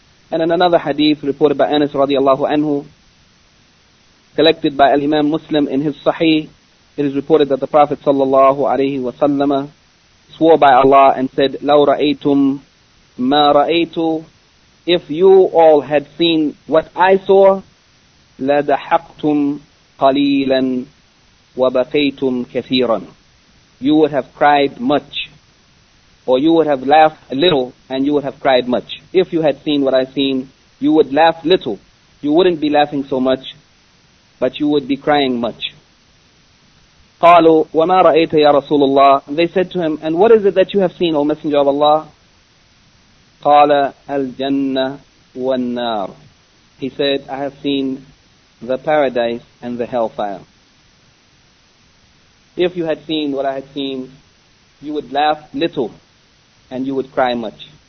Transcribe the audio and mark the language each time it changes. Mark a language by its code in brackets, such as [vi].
[en] And in another hadith reported by Anas radiallahu anhu, collected by Al-Imam Muslim in his Sahih, it is reported that the Prophet sallallahu alaihi wasallam swore by Allah and said, [ar] لَوْ رَأَيْتُمْ مَا رَأَيْتُ, [en] if you all had seen what I saw, [ar] لَدَحَقْتُمْ قَلِيلًا وَبَقَيْتُمْ كَثِيرًا. [en] you would have cried much. Or you would have laughed a little and you would have cried much. If you had seen what I've seen, you would laugh little. You wouldn't be laughing so much, but you would be crying much. [ar] قالوا وما رأيت يا رسول الله. [en] They said to him, and what is it that you have seen, O Messenger of Allah? [ar] قال الجنة والنار. [en] He said, I have seen the paradise and the hellfire. If you had seen what I had seen, you would laugh little and you would cry much.